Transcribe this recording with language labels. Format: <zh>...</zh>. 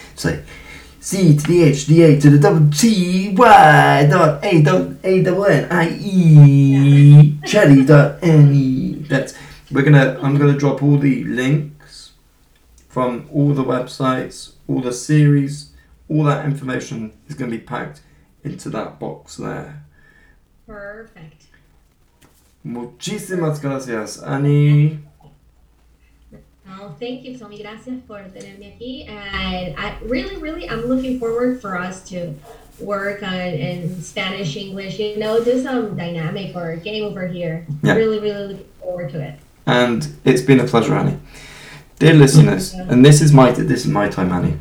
<en>So, C to the H, D A to the double T, Y dot A dot A double N, I E, chatty dot N E. I'm going to drop all the links from all the websites, all the series, all that information is going to be packed into that box there. Perfect.</en> <es>Muchísimas gracias, Annie.</es> <en>Well, thank you, Tommy.</en> <es>Gracias por tenerme aquí.</es> <en>And I really, really, I'm looking forward for us to work on in Spanish, English, you know, do some dynamic or game over here. Yeah. Really, really looking forward to it. And it's been a pleasure, Annie. Dear listeners, and this is my time, Annie.</en>